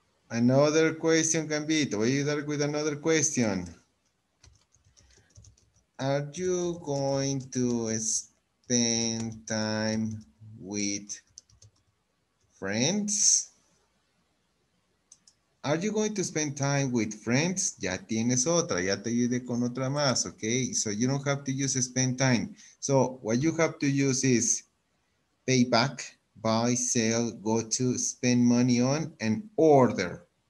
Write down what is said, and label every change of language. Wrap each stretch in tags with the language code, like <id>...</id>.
<en>Another question can be,</en> <es>te voy a ayudar</es> <en>with another question. Are you going to spend time with friends? Are you going to spend time with friends?</en> <es>Ya tienes otra, ya te ayudé con otra más, ok?</es> <en>So you don't have to use spend time. So what you have to use is pay back, buy, sell, go to, spend money on, and order.</en>